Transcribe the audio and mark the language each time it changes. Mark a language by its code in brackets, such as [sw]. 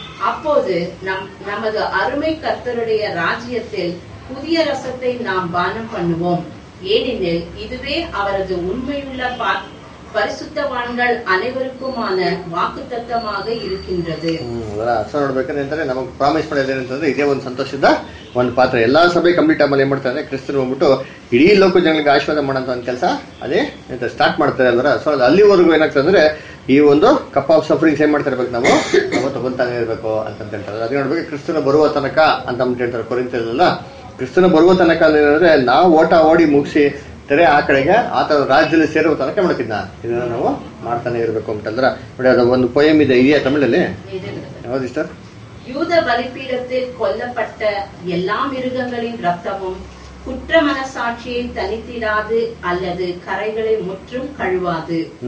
[ta] அப்போது நமது அருமை கர்த்தருடைய ராஜ்யத்தில் புதிய ரசத்தை நாம் பானம் பண்ணுவோம். ஏனெனில் இதுவே அவரது உண்மையுள்ள பரிசுத்தவான்கள் அனைவருக்குமான வாக்கு தத்தமாக இருக்கின்றது. நமக்கு ப்ராமிஸ் பண்ணது இதே ஒரு சந்தோஷம்தான். [kn] ಒಂದು ಪಾತ್ರ ಎಲ್ಲ ಸಭೆ ಕಂಪ್ಲೀಟ್ ಆಮೇಲೆ ಏನ್ ಮಾಡ್ತಾರೆ, ಕ್ರಿಸ್ತರು ಹೋಗ್ಬಿಟ್ಟು ಇಡೀ ಲೋಕ ಜನಗಳಿಗೆ ಆಶೀರ್ವಾದ ಮಾಡೋಂತ ಒಂದು ಕೆಲಸ ಅದೇ ಅಂತ ಸ್ಟಾರ್ಟ್ ಮಾಡ್ತಾರೆ ಅಂದ್ರೆ. ಸೊ ಅಲ್ಲಿವರೆಗೂ ಏನಾಗ್ತದೆ ಅಂದ್ರೆ ಈ ಒಂದು [en] cup of sufferings [kn] ಏನ್ ಮಾಡ್ತಿರ್ಬೇಕು, ನಾವು ತಗೊಂತಾನೆ ಇರ್ಬೇಕು ಅಂತಂತ ಹೇಳ್ತಾರೆ. ಅದೇ ನೋಡ್ಬೇಕು ಕ್ರಿಸ್ತನ ಬರುವ ತನಕ ಅಂತ ಹೇಳ್ತಾರೆ. ಕೊರಿಂಥ್ಯದಲ್ಲ ಕ್ರಿಸ್ತನ ಬರುವ ತನಕ ಅಂದ್ರೆ ನಾವು ಓಟ ಓಡಿ ಮುಗಿಸಿ ತೆರೆ ಆ ಕಡೆಗೆ ಆತ ರಾಜ್ಯದಲ್ಲಿ ಸೇರುವ ತನಕ ಮಾಡ್ತಿದ್ನ, ಇದನ್ನ ನಾವು ಮಾಡ್ತಾನೆ ಇರ್ಬೇಕು ಅಂತಂದ್ರ ನೋಡಿ. ಅದ ಒಂದು ಪೊಯಮ್ ಇದೆ ಇದೆಯಾ ತಮಿಳಲ್ಲಿ ಯಾವ್ದಿಷ್ಟ [ta] யூத பலிபீடத்தில் கொல்லப்பட்ட எல்லா மிருகங்களின் ரத்தமும் குற்ற மனசாட்சியை தனித்திடாது அல்லது கரைகளை முற்றும் கழுவாது.